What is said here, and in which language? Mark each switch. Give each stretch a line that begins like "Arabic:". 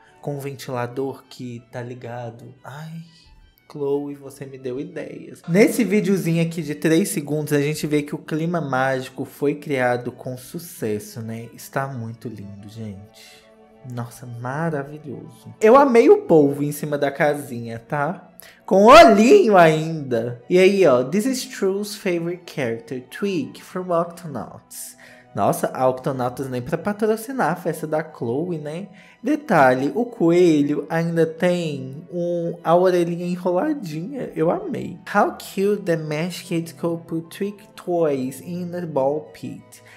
Portuguese: Com um ventilador que tá ligado. Ai, Chloe, você me deu ideias. Nesse videozinho aqui de 3 segundos, a gente vê que o clima mágico foi criado com sucesso, né? Está muito lindo, gente. Nossa, maravilhoso. Eu amei o polvo em cima da casinha, tá? Com olhinho ainda. E aí, ó.
English: This is True's favorite character, Twig, from Octonauts.
Portuguese: Nossa, a Octonauts nem pra patrocinar a festa da Chloe, né? Detalhe, o coelho ainda tem a orelhinha enroladinha. Eu amei.
English: How cute the mesh kids could put Twig toys in the ball pit.